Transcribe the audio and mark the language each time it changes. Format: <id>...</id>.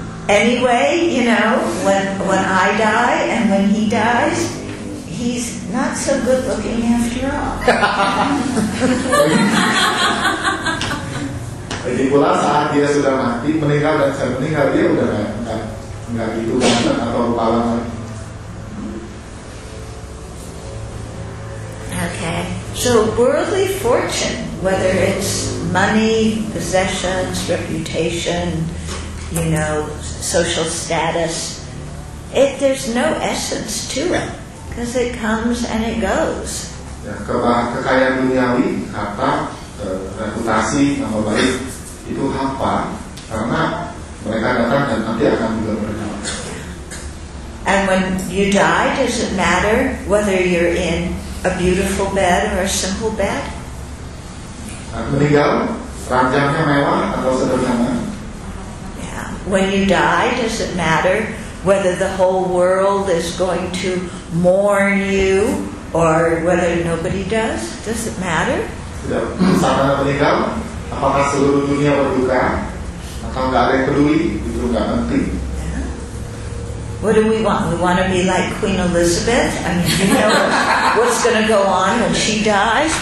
<en>Anyway, you know, when I die and when he dies, he's not so good looking after all.</en> <id>Lagi pula saat dia sudah mati, meninggal dan saya meninggal, dia sudah enggak gitu ganteng atau rupa lagi.</id> <en>Okay, so worldly fortune, whether it's money, possessions, reputation, you know, social status, there's no essence to it. Because it comes and it goes.</en> <id>Ya, kekayaan duniawi, harta, reputasi, nama baik, itu hampa. Karena mereka datang dan nanti akan juga pergi.</id> <en>And when you die, does it matter whether you're in a beautiful bed or a simple bed?</en> <id>Meninggal, ranjangnya mewah atau sederhana?</id> <en>Yeah. When you die, does it matter whether the whole world is going to mourn you or whether nobody does? Does it matter?</en> <id>Saat anda meninggal, apakah seluruh dunia berduka atau enggak ada yang peduli? Itu enggak penting.</id> <en>What do we want? We want to be like Queen Elizabeth? I mean, you know what's going to go on when she dies?</en>